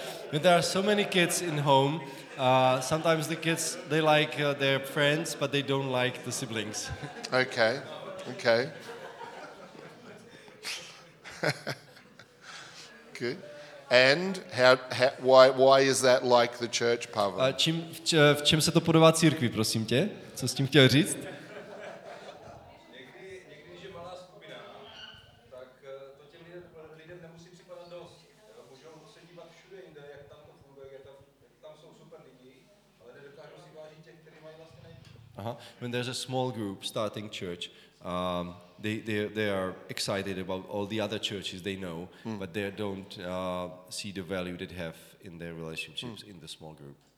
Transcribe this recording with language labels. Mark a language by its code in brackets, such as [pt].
[en] When there are so many kids in home, sometimes the kids, they like their friends, but they don't like the siblings. Okay. Good. And why is that like the church, Pavel? [cs] V čem se to podobá církvi, prosím tě? Co s tím chtěl říct? Někdy, když je malá skupina, tak to těm lidem nemusí připadat dost. Můžou se dívat všude jinde, jak tam to funguje, jak tam jsou super lidi, ale nedokážou si vážit těch, kteří mají vlastně nejvíc. Aha. [en] When there's a small group starting church, they are excited about all the other churches they know, but they don't see the value they have in their relationships in the small group.